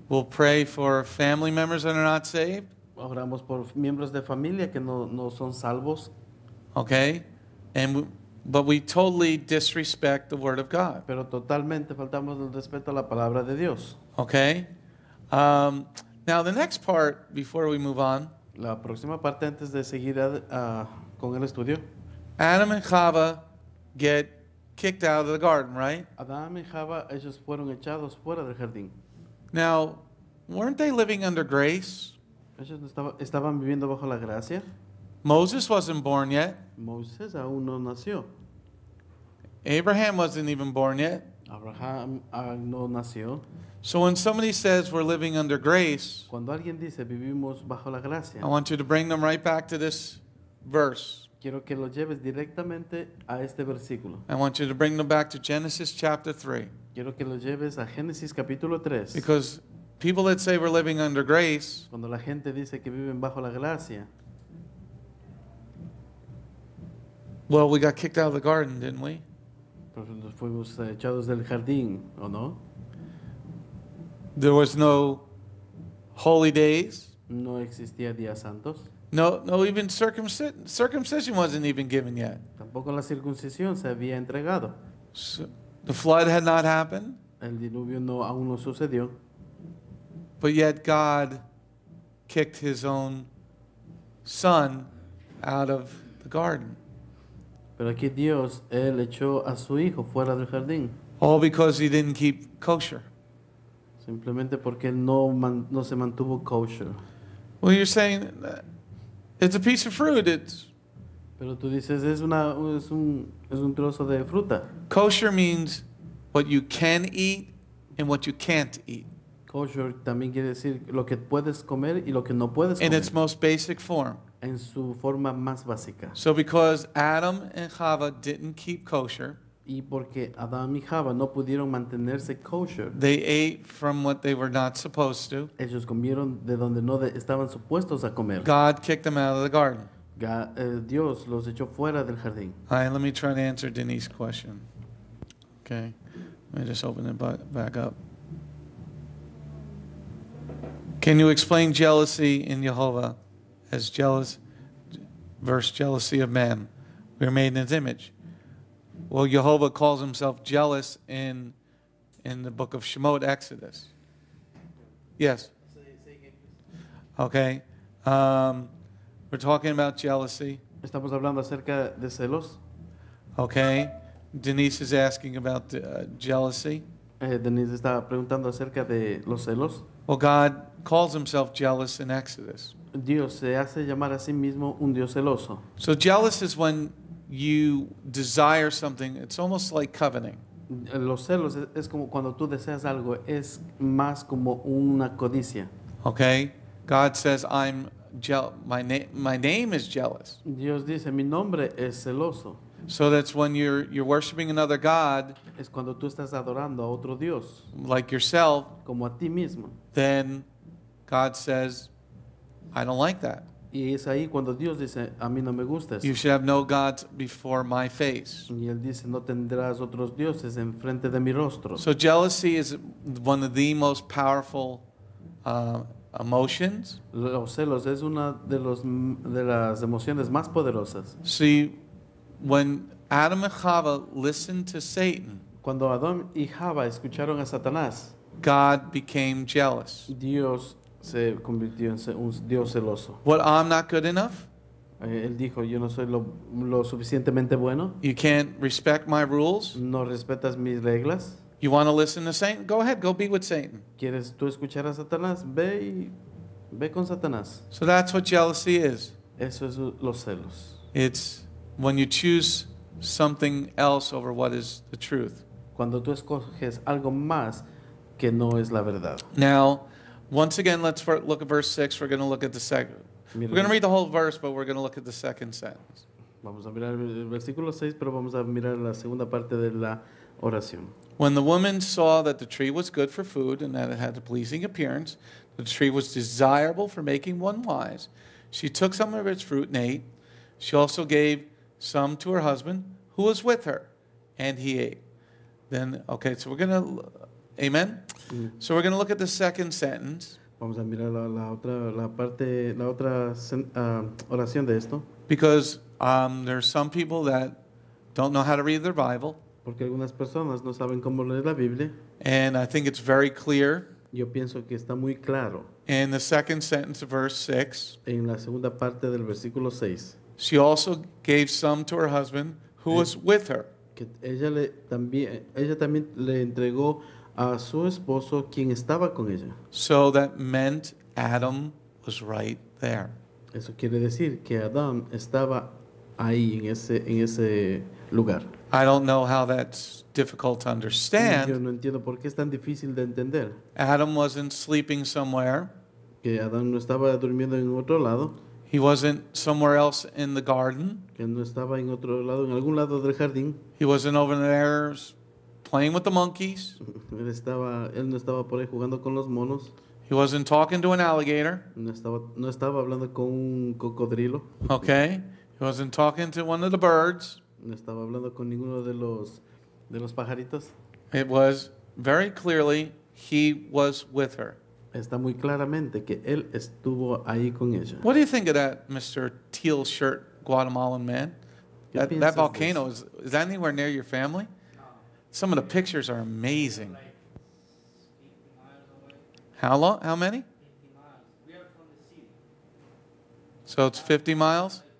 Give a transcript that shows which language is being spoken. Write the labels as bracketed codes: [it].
[en] We'll pray for family members that are not saved. [es] Oramos por miembros de familia que no son salvos. [en] Okay? But we totally disrespect the word of God. [es] Pero totalmente faltamos el respeto a la palabra de Dios. [en] Okay? Now, the next part, before we move on. [es] La próxima parte antes de seguir con el estudio. [en] Adam and Chava get kicked out of the garden, right? [es] Adam y Chava, ellos fueron echados fuera del jardín. [en] Now, weren't they living under grace? [es] Ellos estaban viviendo bajo la gracia. [en] Moses wasn't born yet. [es] Moses aún no nació. [en] Abraham wasn't even born yet. [es] Abraham no nació. [en] So when somebody says we're living under grace, [es] cuando alguien dice vivimos bajo la gracia, [en] I want you to bring them right back to this verse. [es] Quiero que lo lleves directamente a este versículo. [en] I want you to bring them back to Genesis chapter 3. [es] Quiero que lo lleves a Génesis capítulo 3. [en] Because people that say we're living under grace, [es] cuando la gente dice que viven bajo la gracia, [en] well, we got kicked out of the garden, didn't we? [es] Nos fuimos echados del jardín, ¿o no? [en] There was no holy days. [es] No existía días santos. [en] No, even circumcision wasn't even given yet. [es] Tampoco la circuncisión se había entregado. [en] So, the flood had not happened. [es] El diluvio no, aún no sucedió. [en] But yet God kicked his own son out of the garden. [es] Pero aquí Dios, él echó a su hijo fuera del jardín. [en] All because he didn't keep kosher. [es] Simplemente porque él no se mantuvo kosher. [en] Well, you're saying it's a piece of fruit. It's. [es] Pero tú dices es un trozo de fruta. [en] Kosher means what you can eat and what you can't eat. [es] Kosher también quiere decir lo que puedes comer y lo que no puedes comer. [en] In its most basic form. [es] En su forma más básica. [en] So because Adam and Eve didn't keep kosher. [es] Y porque Adán y Eva no pudieron mantenerse kosher. [en] They ate from what they were not supposed to. [es] Ellos comieron de donde no estaban supuestos a comer. [en] God kicked them out of the garden. [es] Dios los echó fuera del jardín. [en] All right, let me try to answer Denise's question. Okay, let me just open it back up. Can you explain jealousy in Jehovah as jealous versus jealousy of man? We are made in His image. Well, Jehovah calls himself jealous in the book of Shemot, Exodus. Yes? Okay. We're talking about jealousy. [es] Estamos hablando acerca de celos. [en] Okay. Denise is asking about jealousy. [es] Denise está preguntando acerca de los celos. [en] Well, God calls himself jealous in Exodus. [es] Dios se hace llamar a sí mismo un Dios celoso. [en] So jealous is when you desire something, it's almost like coveting. [es] Los celos es como cuando tú deseas algo, es más como una codicia. [en] Okay, God says, I'm jealous, my name is jealous. [es] Dios dice, mi nombre es celoso. [en] So that's when you're worshiping another God. [es] Es cuando tú estás adorando a otro Dios. [en] Like yourself. [es] Como a ti mismo. [en] Then God says, I don't like that. [es] Y es ahí cuando Dios dice, a mí no me gusta eso. [en] You should have no gods before my face. [es] Y él dice, no tendrás otros dioses en frente de mi rostro. [en] So jealousy is one of the most powerful emotions. [es] Los celos es una de las emociones más poderosas. [en] See, when Adam and Eve listened to Satan, [es] cuando Adán y Eva escucharon a Satanás, [en] God became jealous. [es] Dios se convirtió en un Dios celoso. [en] What, I'm not good enough? [es] Él dijo, yo no soy lo suficientemente bueno. [en] You can't respect my rules? [es] No respetas mis reglas. [en] You want to listen to Satan? Go ahead, go be with Satan. [es] ¿Quieres tú escuchar a Satanás? Ve con Satanás. [en] So that's what jealousy is. [es] Eso es los celos. [en] It's when you choose something else over what is the truth. [es] Cuando tú escoges algo más que no es la verdad. [en] Now, once again, let's look at verse 6. We're going to look at the second. We're going to read the whole verse, but we're going to look at the second sentence. [es] Vamos a mirar el versículo 6, pero vamos a mirar la segunda parte de la oración. [en] When the woman saw that the tree was good for food and that it had a pleasing appearance, the tree was desirable for making one wise, she took some of its fruit and ate. She also gave some to her husband, who was with her, and he ate. Then, okay, so we're going to... Amen. So we're going to look at the second sentence. [es] Vamos a mirar la otra oración de esto. [en] Because there are some people that don't know how to read their Bible. [es] Porque algunas personas no saben cómo leer la Biblia. [en] And I think it's very clear. [es] Yo pienso que está muy claro. [en] In the second sentence of verse 6. [es] En la segunda parte del versículo 6. [en] She also gave some to her husband who was with her. [es] Que ella también le entregó a su esposo, quien estaba con ella. [en] So that meant Adam was right there. [es] Eso quiere decir que Adán estaba ahí en ese lugar. [en] I don't know how that's difficult to understand. [es] Yo no entiendo por qué es tan difícil de entender. [en] Adam wasn't sleeping somewhere. [es] Que Adán no estaba durmiendo en otro lado. [en] He wasn't somewhere else in the garden. [es] Que no estaba en otro lado, en algún lado del jardín. [en] He wasn't over there playing with the monkeys. [es] él no estaba por ahí jugando con los monos. [en] He wasn't talking to an alligator. [es] No estaba hablando con un cocodrilo. [en] Okay. He wasn't talking to one of the birds. [es] No estaba hablando con ninguno de los pajaritos. [en] It was very clearly he was with her. [es] Está muy claramente que él estuvo ahí con ella. [en] What do you think of that, Mr. Teal Shirt Guatemalan man? That volcano, is that anywhere near your family? No. Some of the pictures are amazing. How long? How many? 50 miles. We are from the sea. So it's 50 miles?